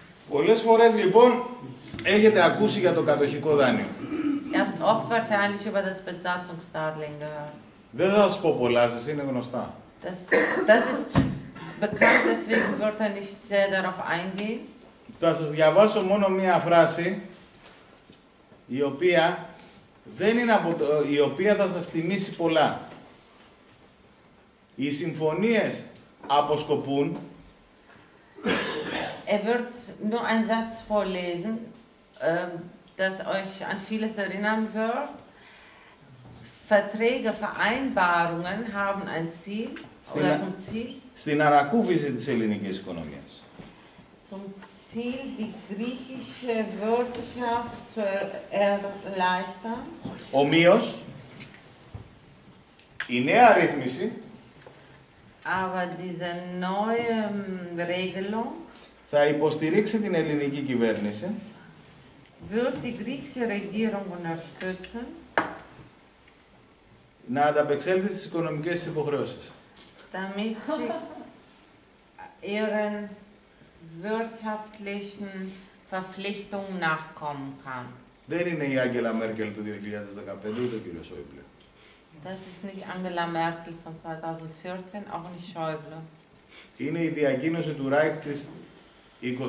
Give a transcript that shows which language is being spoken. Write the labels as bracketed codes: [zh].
[el] Πολλές φορές λοιπόν έχετε ακούσει για το κατοχικό δάνειο. [de] Oft wahrscheinlich über das Besatzungsdarlehen gehört. [el] Δεν θα σας πω πολλά, σας είναι γνωστά. [de] Das ist bekannt, deswegen wird er nicht sehr darauf eingehen. [el] Θα σας διαβάσω μόνο μία φράση, η οποία δεν είναι από το, η οποία θα σας θυμίσει πολλά. Οι συμφωνίες αποσκοπούν. [de] Er wird nur einen Satz vorlesen, das euch an vieles erinnern wird. Verträge, Vereinbarungen haben ein Ziel oder zum Ziel. [el] Στην ανακούφιση της ελληνικής οικονομίας. [de] Zum Ziel, die griechische Wirtschaft zu erleichtern. [el] Ομοίως, η νέα ρύθμιση. [de] Aber diese neue Regelung. [el] Θα υποστηρίξει την ελληνική κυβέρνηση. [de] Wird die griechische Regierung unterstützen. [el] Να ανταπεξέλθει στις οικονομικές υποχρεώσεις. [de] Damit sie ihren wirtschaftlichen Verpflichtungen nachkommen kann. [el] Δεν είναι η Άγγελα Μέρκελ του 2015, ούτε ο κύριος Σόιμπλε. [de] Das ist nicht Angela Merkel von 2014, auch nicht Schäuble. [el] Είναι η διακοίνωση του Reich της 24.